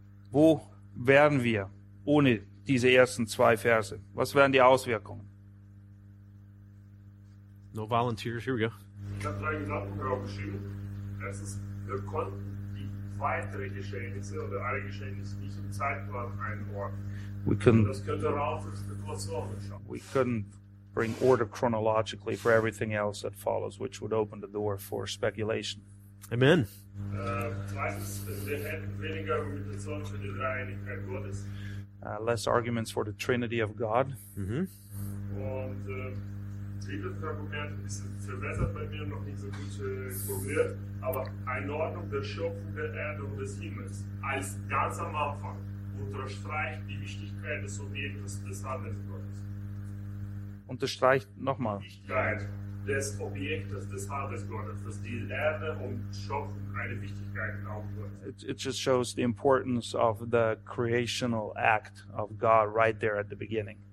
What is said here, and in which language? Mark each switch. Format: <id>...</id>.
<de>Wo wären wir ohne diese ersten 2 Verse? Was wären die Auswirkungen?</de> <en>No volunteers, here we go.</en> <de>Ich habe 3 Gedanken draufgeschrieben. Erstens, wir konnten die weitere Geschehnisse oder alle Geschehnisse nicht im Zeitplan einordnen.</de> <en>We couldn't bring order chronologically for everything else that follows, which would open the door for speculation. Amen. Less arguments for the Trinity of God. Mm-hmm.</en> <de>Unterstreicht die Wichtigkeit des Objektes des Handelns Gottes. Unterstreicht nochmal. Wichtigkeit des Objektes, des Vaters Gottes, dass die Erde und Schöpfung eine Wichtigkeit glaubt wird.</de> <en>It just shows the importance of the creational act of God right there at the beginning.</en>